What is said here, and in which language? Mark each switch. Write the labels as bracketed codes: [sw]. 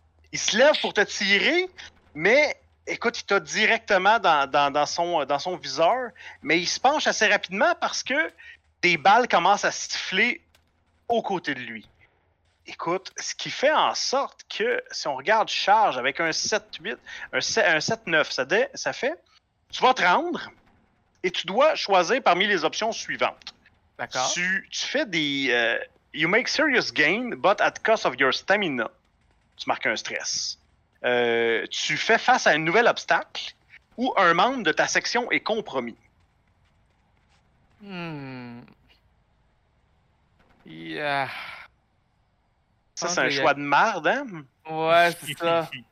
[fr] Il se lève pour te tirer, mais écoute, il t'a directement dans son viseur, mais il se penche assez rapidement parce que des balles commencent à siffler aux côtés de lui. Écoute, ce qui fait en sorte que si on regarde charge avec un 7-8, un 7-9, ça fait, tu vas te rendre. Et tu dois choisir parmi les options suivantes. D'accord. Tu fais des... [en] you make serious gain, but at cost of your stamina. [fr] Tu marques un stress. Tu fais face à un nouvel obstacle ou un membre de ta section est compromis. [en] Yeah. [fr] Ça, c'est un choix de marde, hein? Ouais, c'est ça.